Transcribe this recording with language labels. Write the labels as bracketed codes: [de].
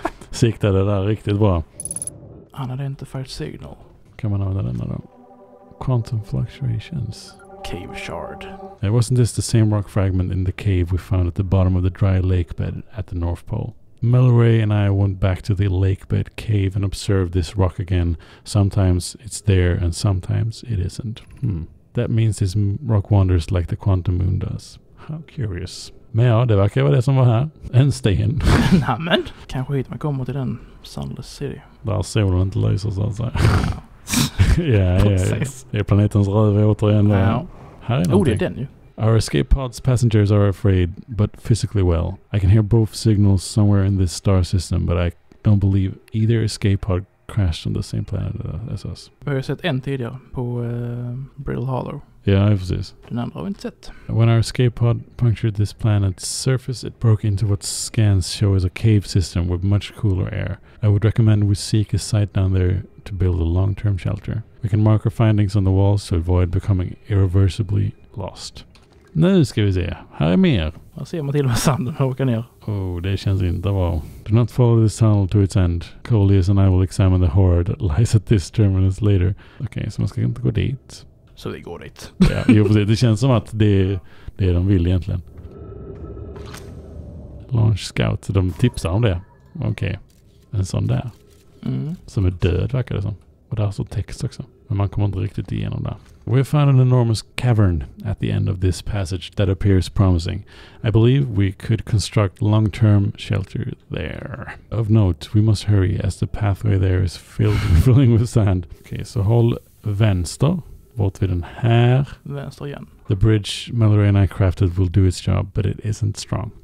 [sv] Siktade där riktigt bra. Han hade inte fått signal. Kan man använda den då? [en] Quantum fluctuations. Cave shard. It wasn't this the same rock fragment in the cave we found at the bottom of the dry lake bed at the North Pole? Melray and I went back to the lake bed cave and observed this rock again. Sometimes it's there and sometimes it isn't. That means this rock wanders like the quantum moon does. How curious. [sv] Men ja, det verkar vara det som var här. En sten. Nämen. Kanske hit man kommer till den Sunless City. Där solen inte lyser så att säga. Ja, det är planetens röv återigen. Ja. Här är någonting. Det är den ju. [en] Our escape pods passengers are afraid, but physically well. I can hear both signals somewhere in this star system, but I don't believe either escape pod crashed on the same planet as us. [sv] Vi har sett en tidigare på Brittle Hollow. Ja, precis. Den andra har vi inte sett. [en] When our escape pod punctured this planet's surface, it broke into what scans show as a cave system with much cooler air. I would recommend we seek a site down there to build a long-term shelter. We can mark our findings on the walls to avoid becoming irreversibly lost. [sv] Nu ska vi se. Här är mer. Vad ser man till med sanden när man åker ner? Oh, det känns inte bra. [en] Do not follow this tunnel to its end. Coleus and I will examine the horror that lies at this terminus later. [sv] Okej, okay, så man ska inte gå dit. Så vi går dit. Ja, det känns som att det är de vill egentligen. Launch scout, så de tipsar om det. Okej, okay. En sån där. Mm. Som är död, verkar det som. Och där står text också. Men man kommer inte riktigt igenom där. [en] We have found an enormous cavern at the end of this passage that appears promising. I believe we could construct long-term shelter there. Of note, we must hurry as the pathway there is filling with sand. [sv] Okej, okay, så håll vänster. Bort vid den här. Vänster igen. [en] The bridge Mallory and I crafted will do its job, but it isn't strong.